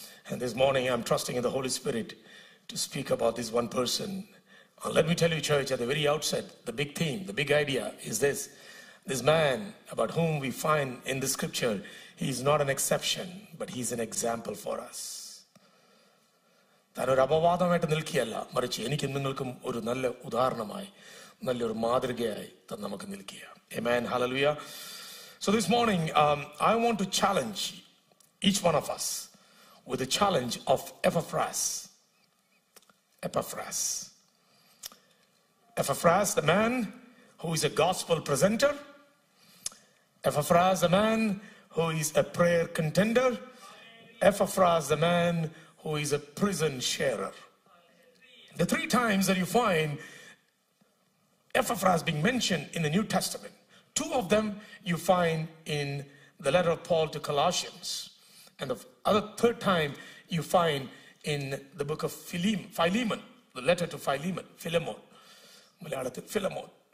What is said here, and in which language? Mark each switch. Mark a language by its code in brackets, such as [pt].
[en] And this morning I'm trusting in the Holy Spirit to speak about this one person. Let me tell you, church, at the very outset, the big theme, the big idea is this. This man about whom we find in the scripture, he's not an exception, but he's an example for us. [ml] തന്നൊരു അപവാദമായിട്ട് നിൽക്കുകയല്ല, മറിച്ച് എനിക്കും നിങ്ങൾക്കും ഒരു നല്ല ഉദാഹരണമായി, നല്ലൊരു മാതൃകയായി തന്നെ നമുക്ക് നിൽക്കുക. ആമേൻ, hallelujah. [en] So this morning I want to challenge each one of us with the challenge of Epaphras. Epaphras, Epaphras the man who is a gospel presenter, Epaphras the man who is a prayer contender, Epaphras the man who is a prison sharer. The three times that you find Epaphras being mentioned in the New Testament, two of them you find in the letter of Paul to Colossians, and the other third time you find in the book of Philemon, the letter to Philemon. Malayalathil Philemon.